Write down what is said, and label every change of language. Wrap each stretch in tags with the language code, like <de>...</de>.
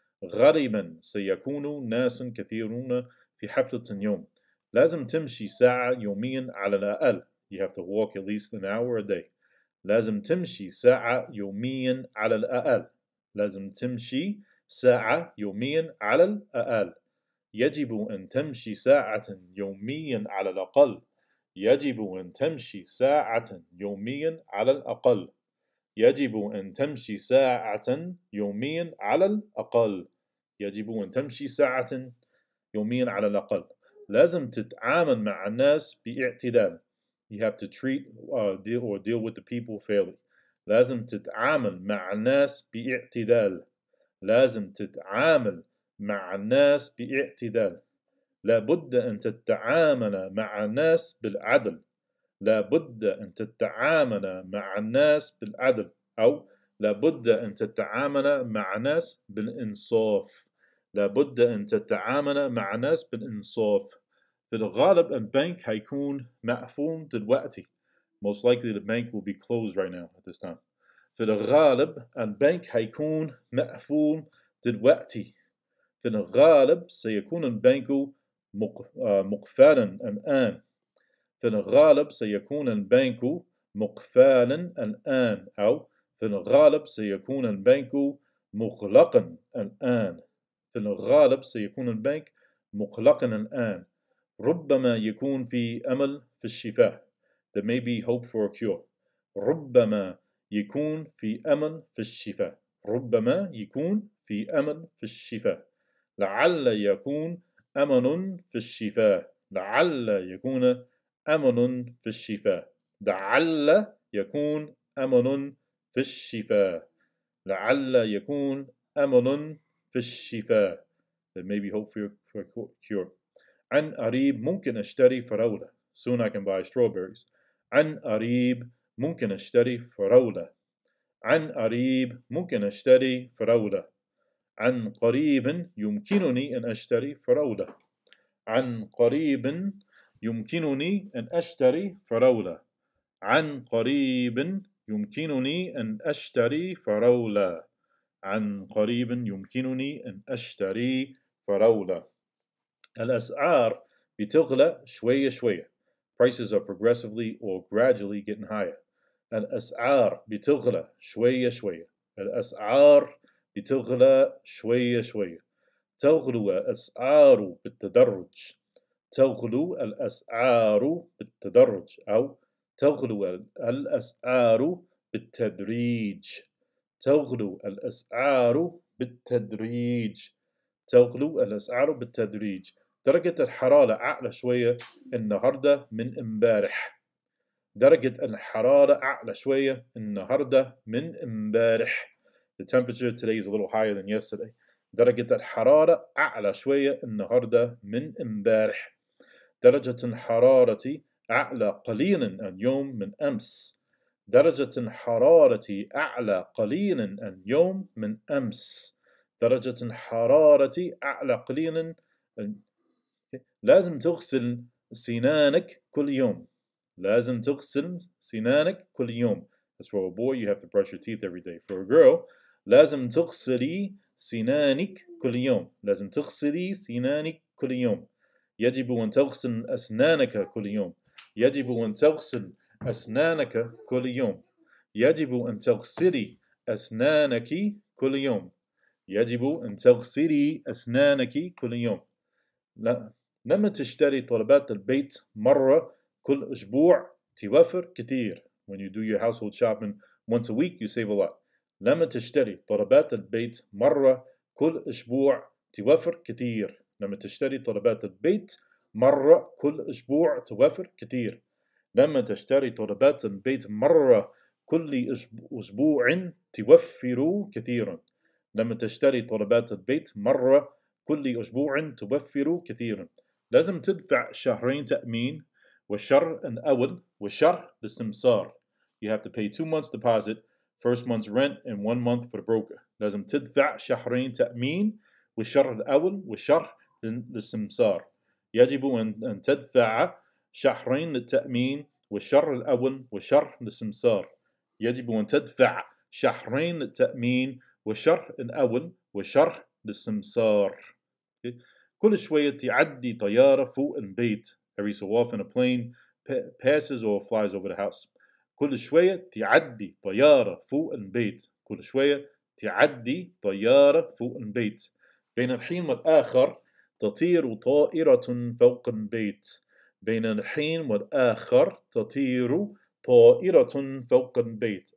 <ar>غالباً سيكون ناس كثيرون في حفلة اليوم. لازم تمشي ساعة يومياً على الأقل.</ar> <en>You have to walk at least an hour a day.</en> <ar>لازم تمشي ساعة يومياً على الأقل. لازم تمشي ساعة يومياً على الأقل. يجب أن تمشي ساعة يومياً على الأقل. يجب أن تمشي ساعة يومياً على الأقل. يجب أن تمشي ساعة يومياً على الأقل. يجب أن تمشي ساعة يومياً على الأقل. لازم تتعامل مع الناس باعتدال.</ar> <en>You have to treat deal with the people fairly.</en> <ar>لازم تتعامل مع الناس باعتدال. لازم تتعامل مع الناس باعتدال. لابد أن تتعامل مع الناس بالعدل. لابد أن تتعامل مع الناس بالعدل. أو لابد أن تتعامل مع الناس بالإنصاف. لابد أن تتعامل مع الناس بالإنصاف. في الغالب البنك هيكون مقفول دلوقتي.</ar> <en>Most likely the bank will be closed right now at this time.</en> <ar>في الغالب البنك هيكون مقفول دلوقتي. في الغالب سيكون البنك مقفالا الآن. في الغالب سيكون البنك مقفالا الآن. أو في الغالب سيكون البنك مغلقا الآن. في الغالب سيكون البنك مغلقا الآن. ربما يكون في أمل في الشفاء.</ar> <en>There may be hope for a cure.</en> <ar>ربما يكون في أمل في الشفاء. ربما يكون في أمل في الشفاء. لعل يكون أمل في الشفاء. لعل يكون أمل في الشفاء. لعل يكون أمل في الشفاء. لعل يكون أمل في الشفاء.</ar> <en>There may be hope for a cure.</en> <ar>عن قريب ممكن أشتري فراولة.</ar> <en>Soon I can buy strawberries.</en> <ar>عن قريب ممكن أشتري فراولة. عن قريب ممكن أشتري فراولة. عن قريب يمكنني أن أشتري فراولة. عن قريب يمكنني أن أشتري فراولة. عن قريب يمكنني أن أشتري فراولة. عن قريب يمكنني أن أشتري فراولة. الأسعار بتغلى شوية شوية.</ar> <en>Prices are progressively or gradually getting higher.</en> <ar>الأسعار بتغلى شوية شوية. الأسعار بتغلى شوية شوية. تغلو الأسعار بالتدرج. تغلو الأسعار بالتدرج. أو تغلو الأسعار بالتدريج. تغلو الأسعار بالتدريج. تغلو الأسعار بالتدريج. درجة الحرارة أعلى شوية النهاردة من امبارح. درجة الحرارة أعلى شوية النهاردة من امبارح.</ar> <en>The temperature today is a little higher than yesterday.</en> <ar>درجة الحرارة أعلى شوية النهاردة من امبارح. درجة حرارتي أعلى قليلا اليوم من أمس. درجة حرارتي أعلى قليلا اليوم من أمس. درجة حرارتي أعلى قليلا. لازم تغسل سنانك كل يوم. لازم تغسل سنانك كل يوم.</ar> <en>As for a boy, you have to brush your teeth every day. For a girl,</en> <ar>لازم تغسلي سنانك كل يوم. لازم تغسلي سنانك كل يوم. يجب أن تغسل أسنانك كل يوم. يجب أن تغسل أسنانك كل يوم. يجب أن تغسلي أسنانك كل يوم. يجب أن تغسلي أسنانك كل يوم. لا. لما تشتري طلبات البيت مرة كل أسبوع توفر كثير.</ar> <en>When you do your household shopping once a week, you save a lot.</en> <ar>لما تشتري طلبات البيت مرة كل أسبوع توفر كثير. لما تشتري طلبات البيت مرة كل أسبوع توفر كثير. لما تشتري طلبات البيت مرة كل أسبوع توفر كثيرا. لما تشتري طلبات البيت مرة كل أسبوع توفر كثيرا. لازم تدفع شهرين تأمين وشهر أول وشهر للسمسار.</ar> <en>You have to pay 2 months deposit, first month's rent, and 1 month for the broker.</en> <ar>لازم تدفع شهرين تأمين وشهر أول وشهر للسمسار. يجب أن تدفع شهرين للتأمين وشهر الأول وشهر للسمسار. يجب أن تدفع شهرين للتأمين وشهر الأول وشهر للسمسار. كل شوية تعدي طيارة فوق البيت.</ar> <en>Every so often a plane passes or flies over the house.</en> <ar>كل شوية تعدي طيارة فوق البيت. كل شوية تعدي طيارة فوق البيت. بين الحين والآخر تطير طائرة فوق البيت. بين الحين والآخر تطير طائرة فوق البيت.</ar>